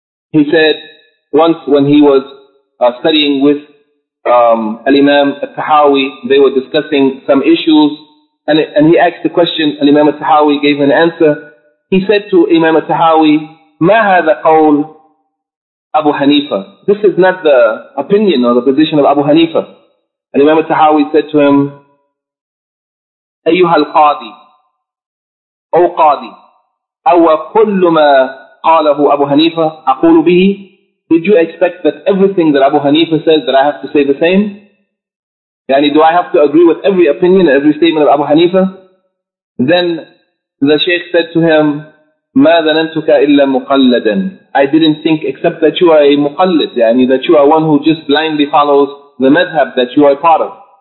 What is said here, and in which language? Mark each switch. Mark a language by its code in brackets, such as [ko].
[en] He said once when he was studying with Al-Imam Al-Tahawi, they were discussing some issues, and he asked the question. Al-Imam Al-Tahawi gave an answer. He said to Imam Al-Tahawi, [ar] ما هذا قول أبو حنيفة? [en] This is not the opinion or the position of Abu Hanifa. And Imam Al-Tahawi said to him, [ar] أيها القاضي, أو قاضي, أو كل ما قاله أبو حنيفة أقول به? [en] Did you expect that everything that Abu Hanifa says that I have to say the same? [ar] يعني, [en] do I have to agree with every opinion and every statement of Abu Hanifa? Then the Shaykh said to him, [ar] ما ظننتك إلا مقلدا. [en] I didn't think except that you are a مقلد, [ar] يعني [en] that you are one who just blindly follows the madhab that you are part of.